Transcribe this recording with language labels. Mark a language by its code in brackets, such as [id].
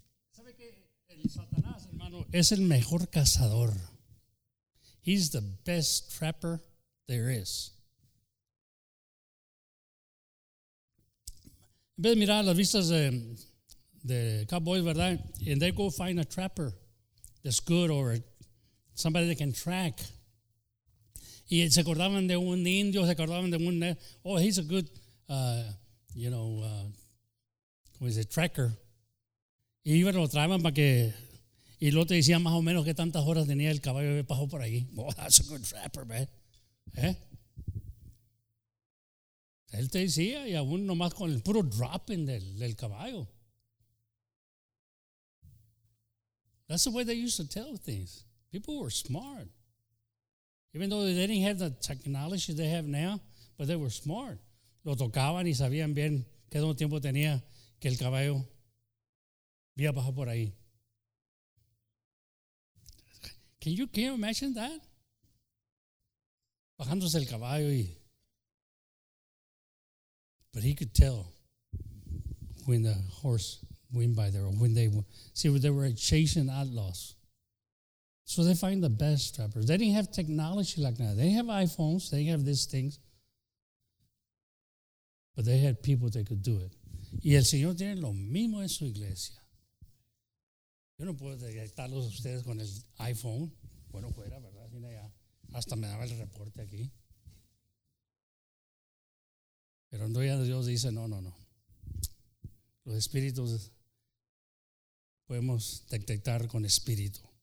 [es] ¿Sabe que el Satanás, hermano, es el mejor cazador? [en] He's the best trapper there is. [es] En vez de mirar las vistas de cowboys, ¿verdad? [en] And they go find a trapper that's good or somebody that can track. [es] Y se acordaban de un indio, se acordaban de un, [en] oh, he's a good, [es] ¿cómo dice? Tracker. Y iban, lo traían para que, y luego te decían más o menos qué tantas horas tenía el caballo que pasó por ahí. [en] Oh, that's a good trapper, man. ¿Eh? [es] Él te decía, y aún nomás con el puro dropping del caballo. [en] That's the way they used to tell things. People were smart. Even though they didn't have the technology they have now, but they were smart. [es] Lo tocaban y sabían bien qué tiempo tenía que el caballo había bajado por ahí. [en] Can you imagine that? [es] Bajándose el caballo y... [en] But he could tell when the horse went by there or when they... See, they were chasing outlaws. So they find the best trappers. They didn't have technology like that. They have iPhones. They have these things. But they had people that could do it. [es] Y el Señor tiene lo mismo en su iglesia. Yo no puedo detectarlos a ustedes con el iPhone. Bueno, fuera, ¿verdad? Mira ya. Hasta me daba el reporte aquí. Pero cuando ya Dios dice, no. Los espíritus podemos detectar con espíritu.